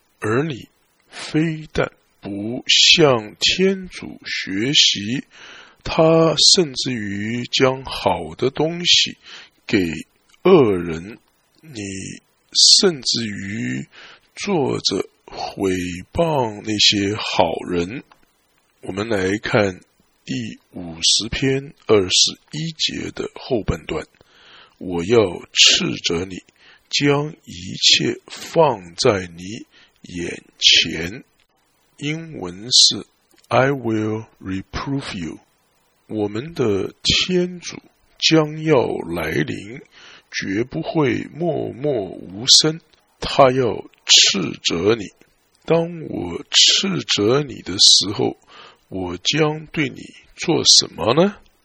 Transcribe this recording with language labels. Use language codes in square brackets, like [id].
[zh] 而你非但不向天主学习，他甚至于将好的东西给恶人，你甚至于坐着毁谤那些好人。我们来看第五十篇二十一节的后半段，我要斥责你，将一切放在你眼前。英文是 [en] I will reprove you。 [zh] 我们的天主将要来临，绝不会默默无声，他要斥责你。当我斥责你的时候，我将对你做什么呢？